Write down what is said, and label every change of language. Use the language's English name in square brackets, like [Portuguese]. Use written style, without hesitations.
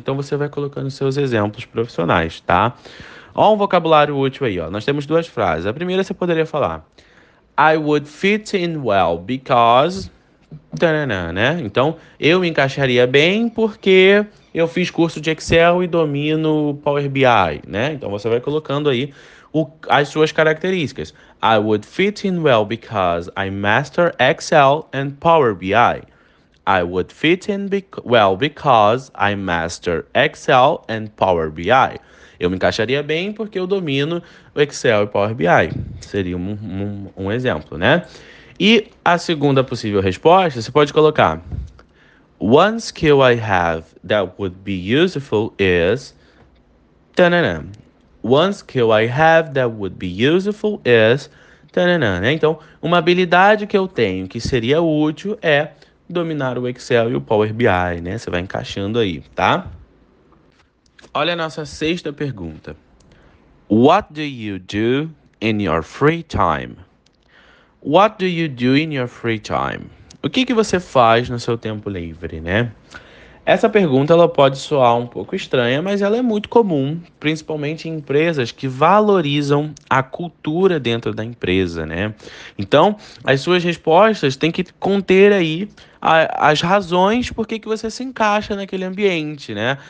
[Portuguese] Então você vai colocando seus exemplos profissionais, tá? Ó, um vocabulário útil aí, ó. Nós temos duas frases. A primeira você poderia falar: [English] I would fit in well because. [Portuguese] Tanana, né? Então eu me encaixaria bem porque eu fiz curso de Excel e domino Power BI, né? Então você vai colocando aí. As suas características. [English] I would fit in well because I master Excel and Power BI. I would fit in well because I master Excel and Power BI. [Portuguese] Eu me encaixaria bem porque eu domino o Excel e Power BI. Seria um exemplo, né? E a segunda possível resposta, você pode colocar: [English] One skill I have that would be useful is. [Portuguese] Tanana. [English] One skill I have that would be useful is. Tanana, né? [Portuguese] Então, uma habilidade que eu tenho que seria útil é dominar o Excel e o Power BI, né? Você vai encaixando aí, tá? Olha a nossa sexta pergunta. [English] What do you do in your free time? What do you do in your free time? [Portuguese] O que que você faz no seu tempo livre, né? Essa pergunta ela pode soar um pouco estranha, mas ela é muito comum, principalmente em empresas que valorizam a cultura dentro da empresa, né? Então, as suas respostas têm que conter aí as razões por que que você se encaixa naquele ambiente, né?